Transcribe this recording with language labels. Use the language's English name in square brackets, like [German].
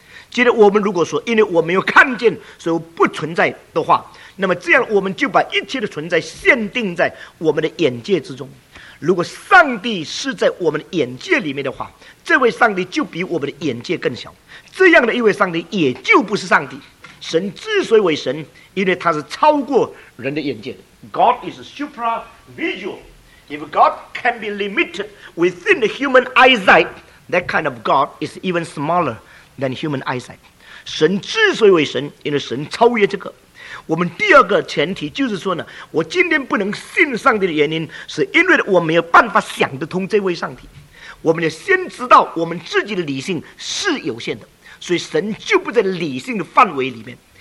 [Chinese] 接着我们如果说因为我没有看见所以我不存在的话，那么这样我们就把一切的存在限定在我们的眼界之中。如果上帝是在我们的眼界里面的话，这位上帝就比我们的眼界更小，这样的一位上帝也就不是上帝。神之所以为神，因为他是超过人的眼界的。 [English] God is supervisual. If God can be limited within the human eyesight, that kind of God is even smaller than human eyesight. [Chinese] 神之所以为神，因为神超越这个。我们第二个前提就是说呢，我今天不能信上帝的原因是因为我没有办法想得通这位上帝。我们要先知道我们自己的理性是有限的，所以神就不在理性的范围里面。